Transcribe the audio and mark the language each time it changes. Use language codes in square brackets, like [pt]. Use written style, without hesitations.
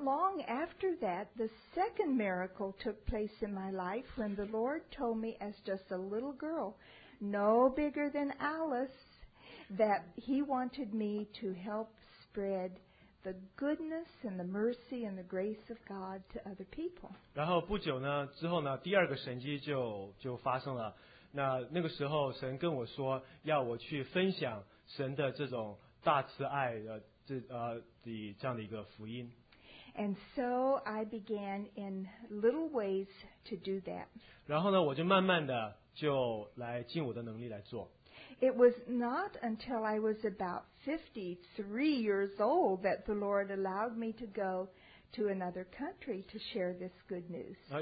[en] long after that, the second miracle took place in my life when the Lord told me as just a little girl, no bigger than Alice, that He wanted me to help spread the goodness and the mercy and the grace of God to other people. [zh] 然后不久呢，之后呢，第二个神迹就发生了。那个时候神跟我说要我去分享神的这种大慈爱的这样的一个福音。 [en] And so I began in little ways to do that. [zh] 然后呢我就慢慢的就来尽我的能力来做。 [en] It was not until I was about 53 years old that the Lord allowed me to go to another country to share this good news.